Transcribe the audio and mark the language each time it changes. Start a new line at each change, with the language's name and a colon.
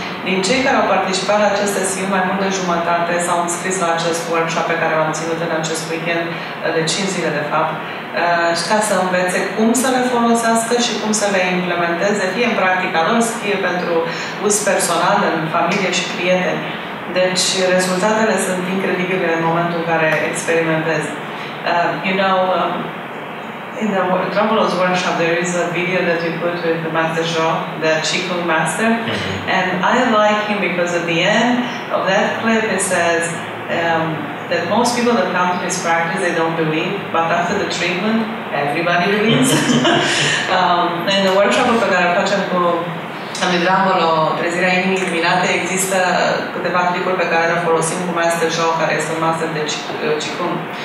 Romanian: Din cei care au participat la aceste sesiuni, mai mult de jumătate s-au înscris la acest workshop pe care l-am ținut în acest weekend, de 5 zile de fapt, și ca să învețe cum să le folosească și cum să le implementeze, fie în practica lor, fie pentru uz personal, în familie și prieteni. Deci rezultatele sunt incredibile în momentul în care experimentez.
English: In the Travelers Workshop, there is a video that we put with Master Zhou, the Qigong Master, and I like him because at the end of that clip it says that most people that come to his practice, they don't believe, but after the treatment, everybody believes. In the workshop
Romanian: pe care îl facem cu Amidramul, Trezirea Inimii Luminate, există câteva clipuri pe care le folosim cu Master Zhou, care este un master de Qigong.